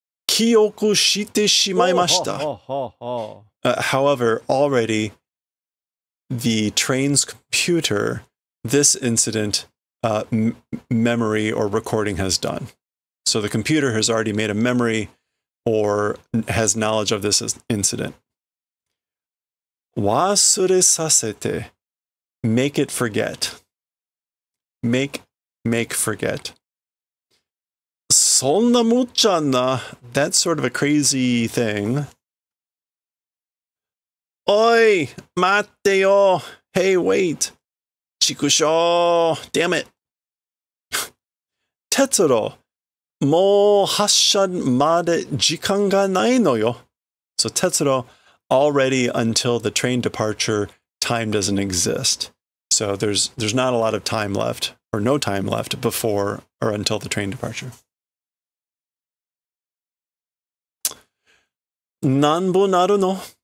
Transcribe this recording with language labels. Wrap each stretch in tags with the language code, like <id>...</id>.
<ja>しかし、もう列車のコンピューターがこの件を記憶してしまいました。</ja> <en>However, already the train's computer, this incident memory or recording has done. So the computer has already made a memory or has knowledge of this incident.</en> <ja>忘れさせて,</ja> <en>make it forget. Make forget.</en> <ja>そんなむちゃな,</ja> <en>that's sort of a crazy thing.</en> <ja>おい、待ってよ.</ja> <en>Hey, wait.</en> <ja>ちくしょう.</ja> <en>Damn it. Tetsuro,</en> <ja>もう発車まで時間がないのよ.</ja> <en>So Tetsuro, already until the train departure, time doesn't exist. So there's not a lot of time left. Or no time left before or until the train departure. Nanbu naru no?</en>